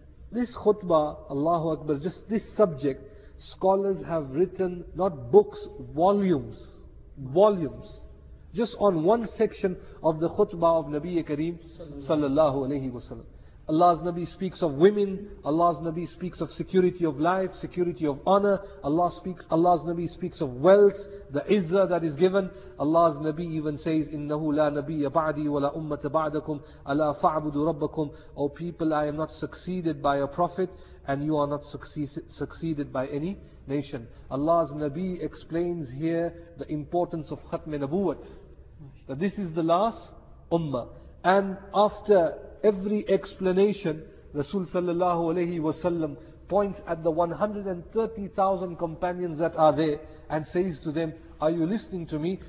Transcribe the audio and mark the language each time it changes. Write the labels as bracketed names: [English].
[English] This khutbah, Allahu Akbar, just this subject, scholars have written, not books, volumes. Volumes. Just on one section of the khutbah of Nabi Kareem sallallahu alayhi wa sallam. Allah's Nabi speaks of women, Allah's Nabi speaks of security of life, security of honor, Allah's Nabi speaks of wealth, the izzah that is given. Allah's Nabi even says, [Arabic] إِنَّهُ لَا نَبِيَّ بَعْدِي وَلَا أُمَّةَ بَعْدَكُمْ أَلَا فَعْبُدُ رَبَّكُمْ. [English] O people, I am not succeeded by a prophet and you are not succeeded by any nation. Allah's Nabi explains here the importance of khatm nabuwat, that this is the last ummah. And after every explanation, Rasul sallallahu alayhi wa sallam points at the 130,000 companions that are there and says to them, are you listening to me?